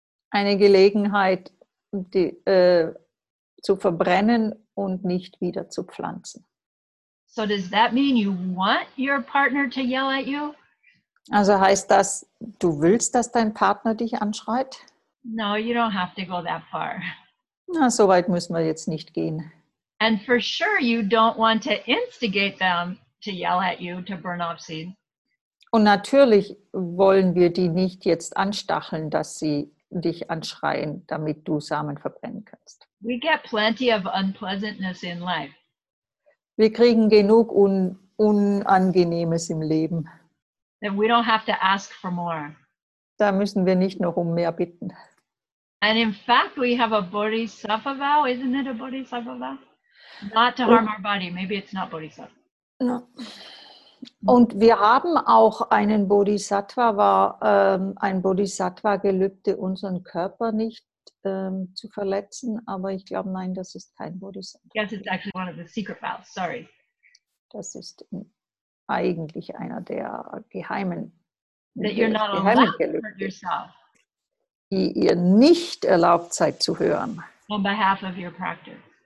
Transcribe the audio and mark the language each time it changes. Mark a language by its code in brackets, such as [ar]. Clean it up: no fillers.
[de] Eine Gelegenheit, zu verbrennen und nicht wieder zu pflanzen. [en] So does that mean you want your partner to yell at you? [de] Also heißt das, du willst, dass dein Partner dich anschreit? [en] No, you don't have to go that far. [de] Na, so weit müssen wir jetzt nicht gehen. [en] And for sure you don't want to instigate them to yell at you to burn off seed. [de] Und natürlich wollen wir die nicht jetzt anstacheln, dass sie dich anschreien, damit du Samen verbrennen kannst. [en] We get plenty of unpleasantness in life. [de] Wir kriegen genug Unangenehmes im Leben. [en] And we don't have to ask for more. [de] Da müssen wir nicht noch um mehr bitten. [en] And in fact, we have a bodhisattva vow. Isn't it a bodhisattva vow? Not to harm our body. Maybe it's not bodhisattva. No. [de] Und wir haben auch einen Bodhisattva, ein Bodhisattva-Gelübde, unseren Körper nicht zu verletzen. Aber ich glaube, nein, das ist kein Bodhisattva. [en] Yes, it's actually one of the secret vows. Sorry. [de] Das ist eigentlich einer der geheimen, [en] that you're not geheimen allowed to yourself, [de] die ihr nicht erlaubt seid zu hören. [en] On behalf of your practice.